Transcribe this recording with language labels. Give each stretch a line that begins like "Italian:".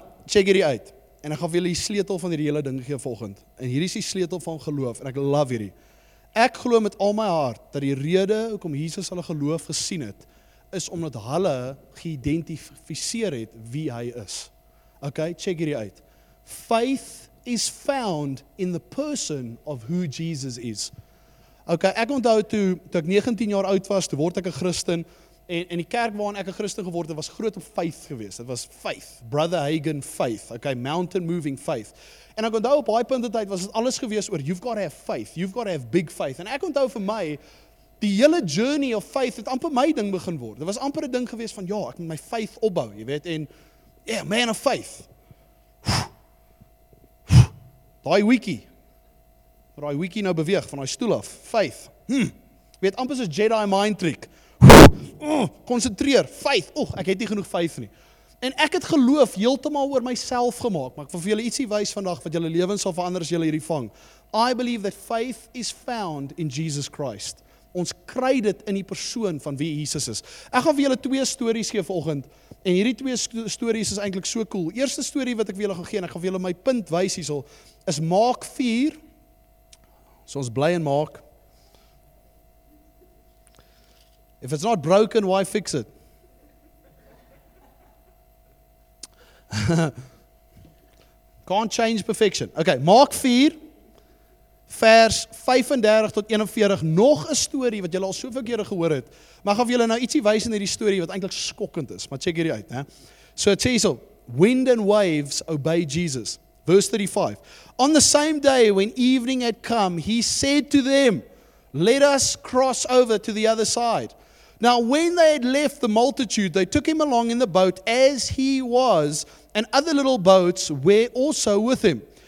Afrikaans: check hierdie uit, en ek gaan vir julle die sleutel van hierdie hele ding gee volgend, en hier is die sleutel van geloof, en ek love hierdie. Ek glo met al my hart, dat die rede hoekom Jesus hulle geloof gesien het, is omdat hulle geïdentificeer het wie hy is. Okay, check hierdie uit.
English: Faith is found in the person of who Jesus is.
Afrikaans: Okay, ek onthou toe ek 19 jaar oud was, toe word ek 'n Christen, en die kerk waarin ek 'n Christen geword het, was groot op faith geweest. Dit was
English: faith, Brother Hagen faith, okay, mountain moving faith.
Afrikaans: En ek onthou op daai punt in tyd was dit alles geweest oor
English: you've got to have faith, you've got to have big faith.
Afrikaans: En ek onthou vir my, die hele journey of faith het amper my ding begin word. Dit was amper 'n ding gewees van, ja, ek moet my faith opbou, jy weet, en, yeah, man of faith. Daai weekie, wat daai weekie nou beweeg, van daai stoel af, faith. Jy weet, amper soos Jedi mind trick. Concentreer, faith. Oeg, ek het nie genoeg faith nie. En ek het geloof heeltemal oor myself gemaak, maar ek wil vir julle ietsie wys vandag, wat julle lewens sal verander as julle hierdie vang.
English: I believe that faith is found in Jesus Christ.
Afrikaans: Ons kry dit in die persoon van wie Jesus is. Ek gaan vir julle twee stories gee vanoggend. En hierdie twee stories is eintlik so cool. Eerste storie wat ek vir julle gaan gee, en ek gaan vir julle my punt wys hierso, is Mark 4. So ons bly in Mark.
English: If it's not broken, why fix it? Can't change perfection. Okay, Mark 4.
Afrikaans: Vers 35 tot 41, nog 'n story wat julle al soveel kere gehoor het, maar gaan vir julle nou ietsie wys in hierdie story wat eintlik skokkend is, maar check hierdie uit, hè.
English: So it says, wind and waves obey Jesus. Verse 35, on the same day when evening had come, he said to them, let us cross over to the other side. Now when they had left the multitude, they took him along in the boat as he was, and other little boats were also with him.